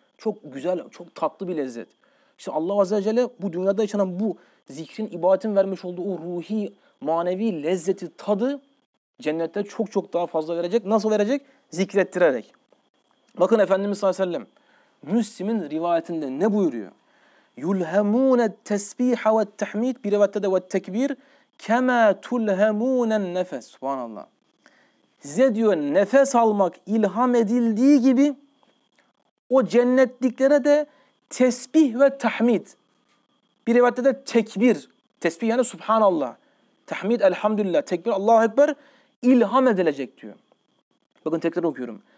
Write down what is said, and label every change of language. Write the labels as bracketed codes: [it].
[tr] Çok güzel, çok tatlı bir lezzet. İşte Allah Azze ve Celle bu dünyada yaşanan bu zikrin, ibadetin vermiş olduğu o ruhi, manevi lezzeti, tadı cennette çok çok daha fazla verecek. Nasıl verecek? Zikrettirerek. Bakın Efendimiz sallallahu aleyhi ve sellem Müslim'in rivayetinde ne buyuruyor? [ar] يُلْهَمُونَ التَّسْبِيحَ وَالتَّحْمِيدِ [tr] Bir rivayette de [ar] وَالتَّكْبِيرِ كَمَا تُلْهَمُونَ النَّفَسِ Subhanallah. [tr] Size diyor nefes almak ilham edildiği gibi o cennetliklere de tesbih ve tahmid. Bir rivayette de tekbir. Tesbih yani Subhanallah. Tahmid elhamdülillah, tekbir Allahu ekber ilham edilecek diyor. Bakın tekrar okuyorum.